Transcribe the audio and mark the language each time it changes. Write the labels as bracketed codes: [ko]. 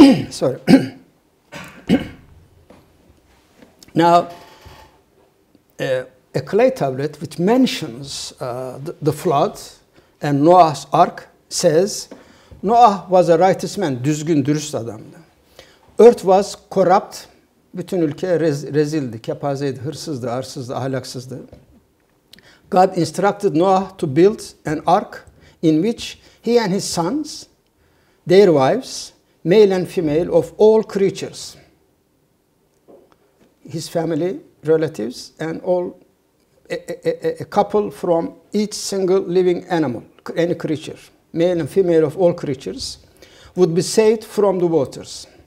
[en] Sorry. Now, a clay tablet which mentions the flood and Noah's Ark says, Noah was a righteous man, [tr] düzgün, dürüst adamdı. [en] Earth was corrupt, [tr] bütün ülke rezildi, kepazeydi, hırsızdı, arsızdı, ahlaksızdı. [en] God instructed Noah to build an ark in which he and his sons, their wives, male and female of all creatures, his family, relatives, and all a couple from each single living animal, any creature, male and female of all creatures, would be saved from the waters.